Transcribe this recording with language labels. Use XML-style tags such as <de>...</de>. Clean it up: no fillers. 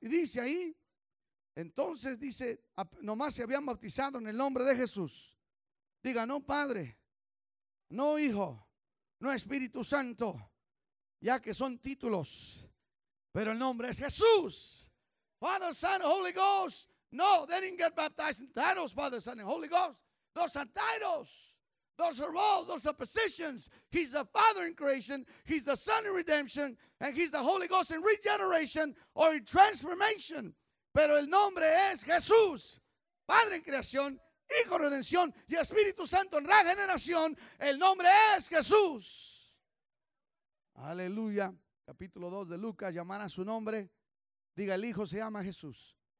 <es>Y dice ahí, entonces dice, nomás se habían bautizado en el nombre de Jesús. Diga, no Padre, no Hijo, no Espíritu Santo, ya que son títulos, pero el nombre es Jesús.</es> <en>Father, Son, Holy Ghost. No, they didn't get baptized in titles, Father, Son, and Holy Ghost. Those are titles. Those are roles. Those are positions. He's the Father in creation. He's the Son in redemption. And he's the Holy Ghost in regeneration or in transformation.</en> <es>Pero el nombre es Jesús. Padre en creación, Hijo en redención y Espíritu Santo en regeneración. El nombre es Jesús. Aleluya. Capítulo 2 de Lucas. Llamar a su nombre. Diga, el Hijo se llama Jesús.</es>